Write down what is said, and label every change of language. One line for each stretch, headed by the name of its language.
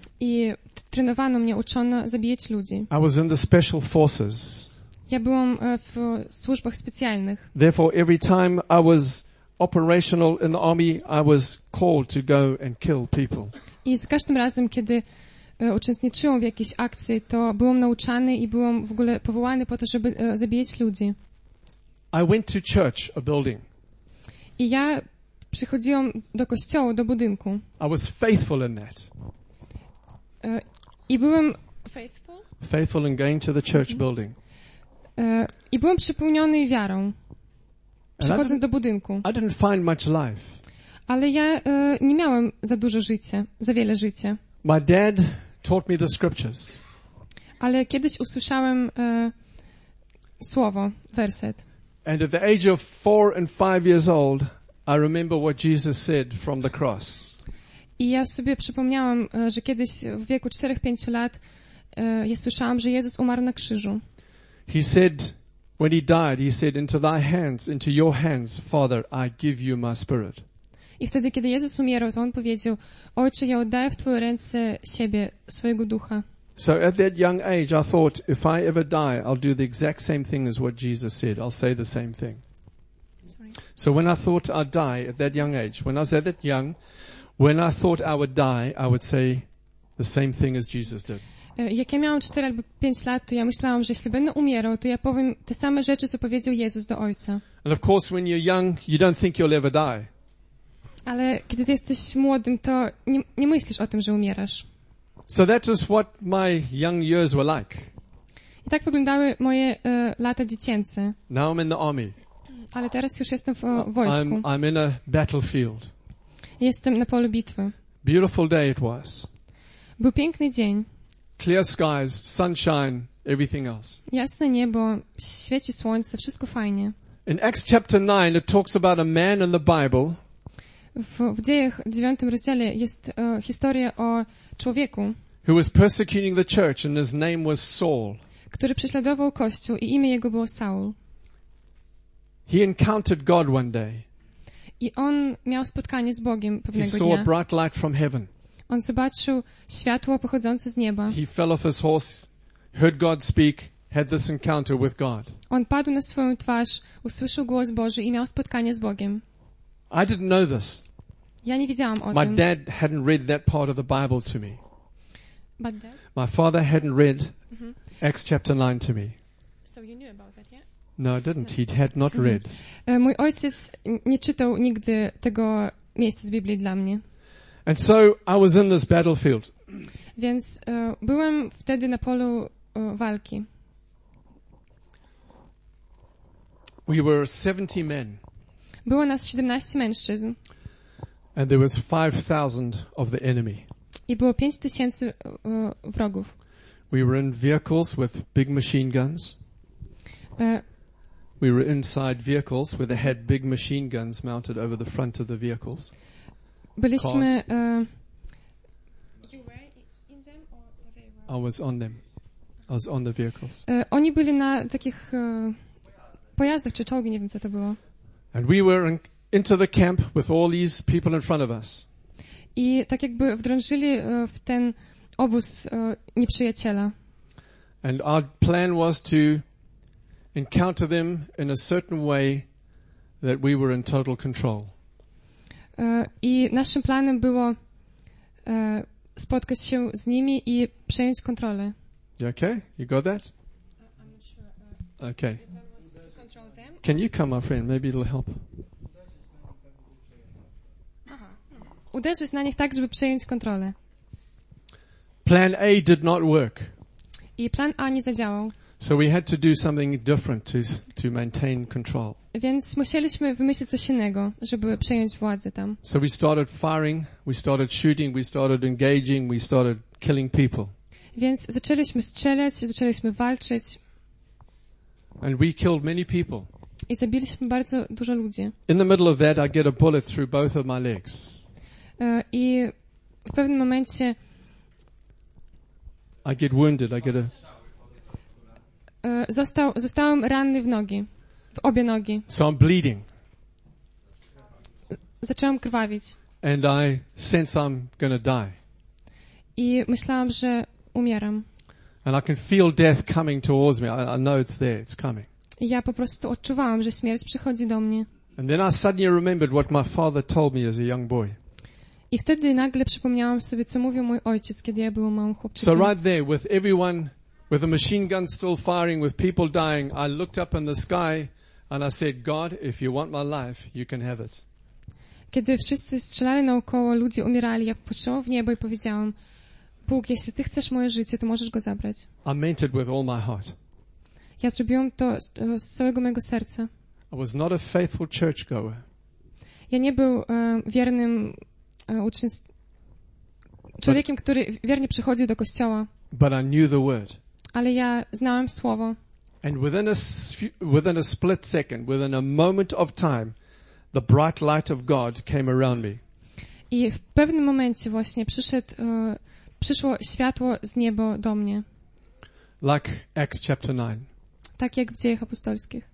Polish: I trenowano mnie, uczono zabijać ludzi.
English: I was in the special forces.
Polish: Ja byłem w służbach specjalnych.
English: Therefore, every time I was operational in the army, I was called to go and kill people.
Polish: I za każdym razem, kiedy uczestniczyłem w jakiejś akcji, to byłem nauczany i byłem w ogóle powołany po to, żeby zabijać ludzi.
English: I went to church, a building.
Polish: I ja przychodziłem do kościoła, do budynku.
English: I was faithful in that.
Polish: I byłem
English: faithful. Faithful in going to the church building.
Polish: I byłem przepełniony wiarą. Przychodząc do budynku.
English: I didn't find much life.
Polish: Ale ja nie miałem za dużo życia, za wiele życia.
English: My dad taught me the scriptures.
Polish: Ale kiedyś usłyszałem słowo, werset.
English: And at the age of 4 and 5 years old, I remember what Jesus said from the cross.
Polish: I ja sobie przypomniałam, że kiedyś w wieku 4-5 lat ja słyszałam, że Jezus umarł na krzyżu.
English: He said when he died, he said into thy hands, into your hands, Father, I give you my spirit.
Polish: I wtedy kiedy Jezus umierał, to on powiedział: Ojcze, ja oddaję w twoje ręce siebie, swojego ducha.
English: So at that young age I thought if I ever die, I'll do the exact same thing as what Jesus said. I'll say the same thing. So when I thought I'd die at that young age, when I was at that young, when I thought I would die, I would say the same thing as Jesus did.
Polish: Jak ja miałam 4 albo 5 lat, to ja myślałam, że jeśli będę umierał, to ja powiem te same rzeczy, co powiedział Jezus do Ojca.
English: And of course, when you're young, you don't think you'll ever die.
Polish: Ale kiedy ty jesteś młodym, to nie myślisz o tym, że umierasz.
English: So that is what my young years were like.
Polish: I tak wyglądały moje lata dziecięce.
English: Now I'm in the army.
Polish: Ale teraz już jestem w wojsku.
English: I'm in a battlefield.
Polish: Jestem na polu bitwy.
English: Beautiful day it was.
Polish: Był piękny dzień.
English: Clear skies, sunshine, everything else.
Polish: Jasne niebo, świeci słońce, wszystko fajnie.
English: In Acts chapter 9 it talks about a man in the Bible.
Polish: W Dziejach 9 rozdziale jest historia o człowieku.
English: Who was persecuting the church and his name was Saul.
Polish: Który prześladował kościół i imię jego było Saul.
English: He encountered God one day.
Polish: I on miał spotkanie z Bogiem pewnego dnia.
English: He saw a bright light from heaven.
Polish: On zobaczył światło pochodzące z nieba.
English: He fell off his horse, heard God speak, had this encounter with God.
Polish: On padł na swoją twarz, usłyszał głos Boży i miał spotkanie z Bogiem.
English: I didn't know this.
Polish: Ja nie wiedziałam o
English: My
Polish: tym.
English: Dad hadn't read that part of the Bible to me. But dad? My father hadn't read Acts chapter 9 to me. So you knew about that, yeah? No, I didn't. He had not read.
Polish: Mój ojciec nie czytał nigdy tego miejsca z Biblii dla mnie.
English: And so I was in this battlefield.
Polish: Więc byłem wtedy na polu walki.
English: We were 70 men.
Polish: Było nas 17 mężczyzn.
English: And there was 5,000 of the enemy.
Polish: I było 5,000 wrogów.
English: We were in vehicles with big machine guns. We were inside vehicles where they had big machine guns mounted over the front of the vehicles.
Polish: Byliśmy,
English: you were in them or were they were? I was on them. I was on the vehicles.
Polish: Oni byli na takich pojazdach czy czołgi, nie wiem co to było.
English: And we were into the camp with all these people in front of us.
Polish: I tak jakby wdrążyli w ten obóz nieprzyjaciela.
English: And our plan was to encounter them in a certain way that we were in total control.
Polish: I naszym planem było spotkać się z nimi i przejąć kontrolę.
English: Okay, you got that? I'm not sure. Okay. To control them. Can you come, my friend? Maybe it'll help.
Polish: Uderzyć na nich tak, żeby przejąć kontrolę.
English: Plan A did not work.
Polish: I plan A nie zadziałał.
English: So we had to do something different to maintain control.
Polish: Więc musieliśmy wymyślić coś innego, żeby przejąć władzę tam.
English: So we started firing, we started shooting, we started engaging, we started killing people.
Polish: Więc zaczęliśmy strzelać, zaczęliśmy walczyć.
English: And we killed many people.
Polish: I zabiliśmy bardzo dużo ludzi.
English: In the middle of that I get a bullet through both of my legs.
Polish: I w pewnym momencie
English: I get wounded, I get a
Polish: zostałem ranny w nogi, w obie nogi.
English: So I'm bleeding.
Polish: Zacząłem krwawić.
English: And I sense I'm gonna die.
Polish: I myślałam, że umieram.
English: And I can feel death coming towards me. I know it's there, it's coming.
Polish: I ja po prostu odczuwałam, że śmierć przychodzi do mnie.
English: And then I suddenly remembered what my father told me as a young boy.
Polish: I wtedy nagle przypomniałam sobie, co mówił mój ojciec, kiedy ja byłam małym chłopczykiem.
English: So right there, with everyone, with a machine gun still firing, with people dying, I looked up in the sky and I said, God, if you want my life, you can have it.
Polish: Kiedy wszyscy strzelali naokoło, ludzie umierali, ja patrzyłam w niebo i powiedziałam, Bóg, jeśli Ty chcesz moje życie, to możesz go zabrać.
English: I meant it with all my heart.
Polish: Ja zrobiłam to z całego mojego serca.
English: I was not a faithful churchgoer.
Polish: Ja nie był wiernym człowiekiem, który wiernie przychodzi do kościoła.
English: But I knew the word.
Polish: Ale ja znałem słowo.
English: And within a split second, within a moment of time, the bright light of God came around me.
Polish: I w pewnym momencie właśnie przyszło światło z nieba do mnie.
English: Like Acts chapter 9.
Polish: Tak jak w Dziejach Apostolskich.